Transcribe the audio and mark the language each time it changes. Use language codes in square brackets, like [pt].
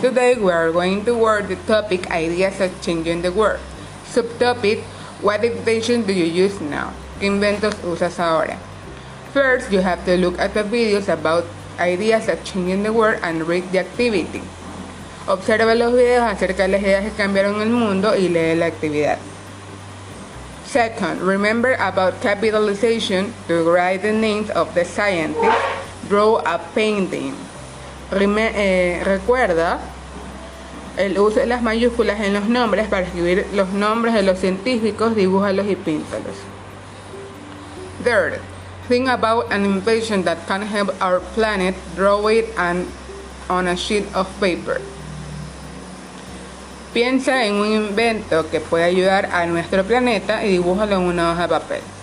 [en] Today we are going to work the topic Ideas of Changing the World. Subtopic, what invention do you use now? [es] ¿Qué inventos usas ahora? [en] First, you have to look at the videos about ideas of changing the world and read the activity. [es] Observa los videos acerca de las ideas que cambiaron el mundo y lee la actividad. [en] Second, remember about capitalization to write the names of the scientists. Draw a painting. [es] Recuerda el uso de las mayúsculas en los nombres para escribir los nombres de los científicos, dibújalos y píntalos. [en] Third, think about an invention that can help our planet. Draw it on a sheet of paper. [es] Piensa en un invento que puede ayudar a nuestro planeta y dibújalo en una hoja de papel.